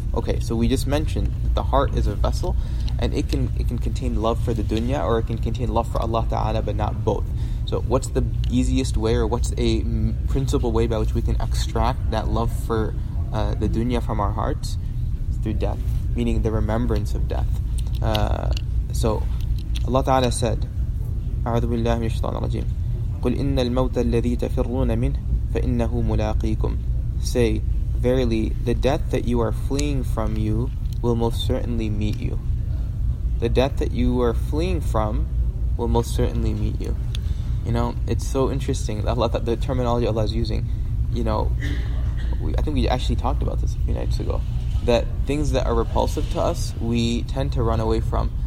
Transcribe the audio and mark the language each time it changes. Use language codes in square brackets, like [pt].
[en] Okay, so we just mentioned that the heart is a vessel, and it can contain love for the dunya, or it can contain love for Allah Ta'ala, but not both. So what's the easiest way, or what's a principal way by which we can extract that love for the dunya from our hearts? It's through death, meaning the remembrance of death. So Allah Ta'ala said, [ar] أعوذ بالله من الشيطان الرجيم قل إن الموت الذي تفرون منه فإنه ملاقيكم. [en] Say, verily, the death that you are fleeing from you will most certainly meet you. The death that you are fleeing from will most certainly meet you. You know, it's so interesting, Allah, the terminology Allah is using. You know, I think we actually talked about this a few nights ago, that things that are repulsive to us, we tend to run away from.